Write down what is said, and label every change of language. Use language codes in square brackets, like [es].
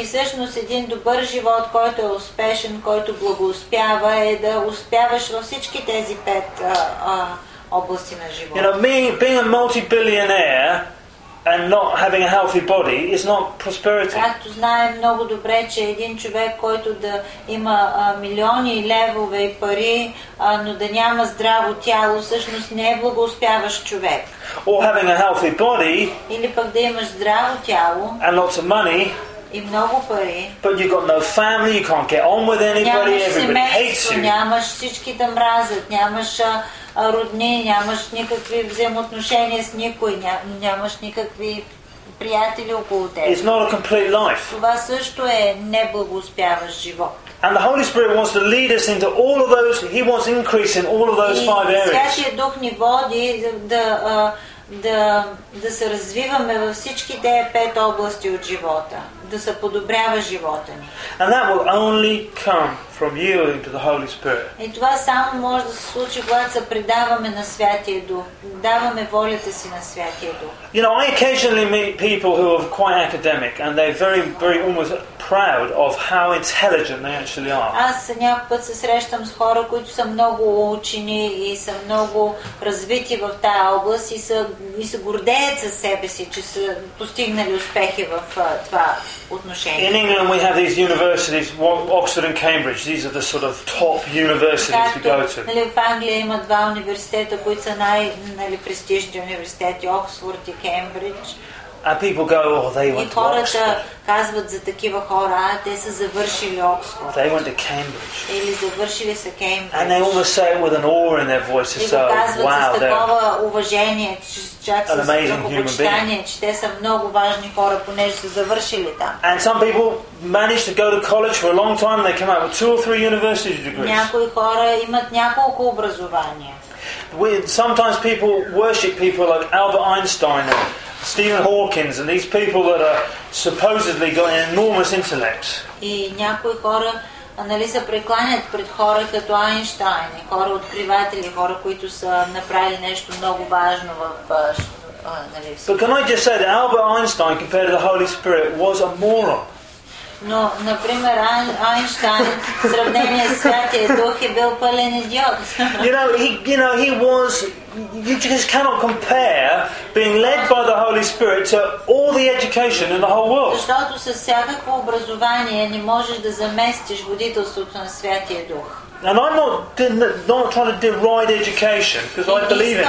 [bg] И всъщност един добър живот, който е успешен, който благоуспява, е да успяваш във всички тези 5 области на живота. [en] You know, being a multi-billionaire and not having a healthy body is not prosperity. [bg] Както знаем много добре, че един човек, който да има милиони левове и пари, но да няма здраво тяло, всъщност не е благоуспяващ човек. [en] Or having a healthy body, [bg] или пък да имаш здраво тяло [en] and lots of money, [bg] и много пари. [en] But you've got no family, you can't get on with anybody, everybody hates you. [bg] Нямаш всички да мразят, нямаш родни, нямаш никакви взаимоотношения с никой, нямаш никакви приятели около теб. [en] It's not a complete life. [bg] Това също е неблагоспяващ живот. [en] And the Holy Spirit wants to lead us into all of those, He wants increase in all of those five areas. [bg] Святия Дух ни води да се развиваме във всички тези пет области от живота, да се подобрява живота ни. [en] And that will only come from yielding to the Holy Spirit. [bg] И това само може да се случи, когато се предаваме на Святия Дух, даваме волята си на Святия Дух. [en] You know, I occasionally meet people who are quite academic and they're very, very almost proud of how intelligent they actually are. [bg] Аз някой път се срещам с хора, които са много учени и са много развити в тая област и са гордеят със себе си, че са постигнали успехи в това отношение. [en] In England we have these universities, Oxford and Cambridge. These are the sort of top universities to go to. [bg] Нали, в Англия има два университета, които са най престижни университети, Оксфорд и Кембридж. [en] And people go, oh, they went to Oxford. [bg] И хората казват за такива хора, а те са завършили Оксфорд. [en] They went to Cambridge. [bg] Или завършили са Кембридж. [en] And they almost say it with an awe in their voices. [bg] И го казват с такова уважение, чак с благочитание, че те са много важни хора, понеже са завършили там. [en] And some people manage to go to college for a long time, they come out with two or three university degrees. [bg] Някои хора имат няколко образования. [en] Sometimes people worship people like Albert Einstein and Stephen Hawking and these people that are supposedly got an enormous intellect. [bg] И някои хора, нали, се прекланят пред хора като Айнщайн, хора откриватели, хора, които са направили нещо много важно в нали. [en] But can I just say that Albert Einstein, compared to the Holy Spirit, was a moron. [bg] Но, например, Айнщайн, в сравнение с Святия Дух, е бил пълен идиот. [en] You know, he was. You just cannot compare being led by the Holy Spirit to all the education in the whole world. [bg] Защото с всякакво образование не можеш да заместиш водителството на Святия Дух. [en] And I'm not trying to deride education because I believe in it.